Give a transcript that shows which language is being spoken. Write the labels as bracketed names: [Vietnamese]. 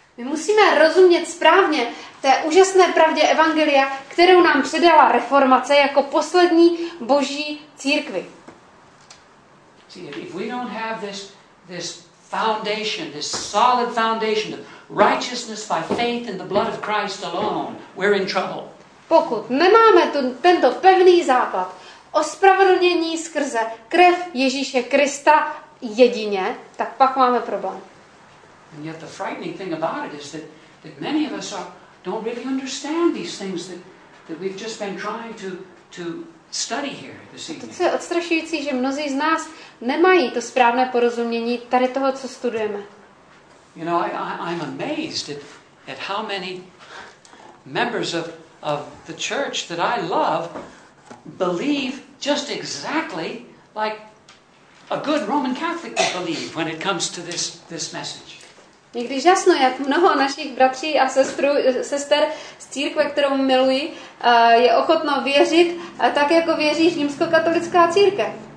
[Czech] My musíme rozumět správně té úžasné pravdě evangelia, kterou nám předala reformace jako poslední boží církvi. [English] See, if we don't have this foundation, this solid foundation of righteousness by faith in the blood of Christ alone, we're in trouble. [Czech] Pokud nemáme tento pevný základ ospravedlnění skrze krev Ježíše Krista jedině, tak pak máme problém. [English] And yet the frightening thing about it is that many of us don't really understand these things that we've just been trying to study here this evening. [Czech] To je odstrašující, že mnozí z nás nemají to správné porozumění tady toho, co studujeme. [English] You know, I'm amazed at how many members of the church that I love believe just exactly like a good Roman Catholic would believe when it comes to this message. [Czech] Někdy žasno, jak mnoho našich bratří a sester z církve, kterou miluji, je ochotno věřit tak, jako věří římskokatolická církev.